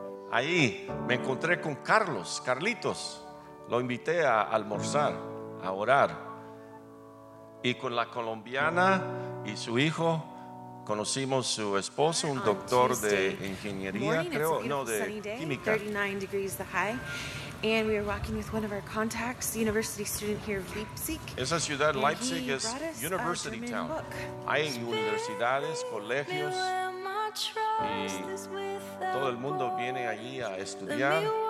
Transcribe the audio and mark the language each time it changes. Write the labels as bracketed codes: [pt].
[es] Ahí me encontré con Carlos, Carlitos, lo invité a almorzar, a orar, y con la colombiana y su hijo conocimos su esposo, un doctor de ingeniería, creo, no, de química. [en] 39 degrees the high. And we were walking with one of our contacts, university student here of Leipzig. [es] Esa ciudad, Leipzig, es [en] university town. [es] Hay universidades, colegios, y todo el mundo viene allí a estudiar.